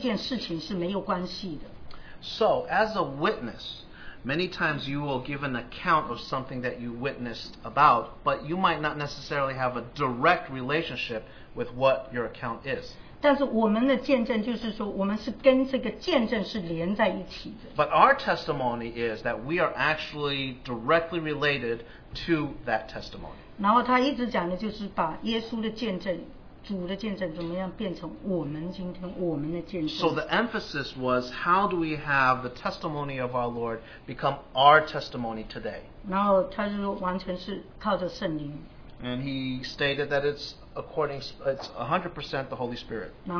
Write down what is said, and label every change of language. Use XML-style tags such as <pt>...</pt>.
<zh>但是呢，你如果就是那个，我想他是说见</zh> <en>witness，</en> <zh>那个就是说，你不单只是因为你如果看见一个东西，你去讲，然后你这个人跟这一件事情是没有关系的。</zh> <en>So as a witness, many times you will give an account of something that you witnessed about, but you might not necessarily have a direct relationship with what your account is.</en> <zh>但是我们的见证就是说，我们是跟这个见证是连在一起的。</zh> <en>But our testimony is that we are actually directly related to that testimony.</en> <zh>然后他一直讲的就是把耶稣的见证，主的见证怎么样变成我们今天我们的见证。</zh> <en>So the emphasis was how do we have the testimony of our Lord become our testimony today?</en> <zh>然后他就说完全是靠着圣灵。</zh> <en>And he stated that it's according, it's 100% the Holy Spirit.</en>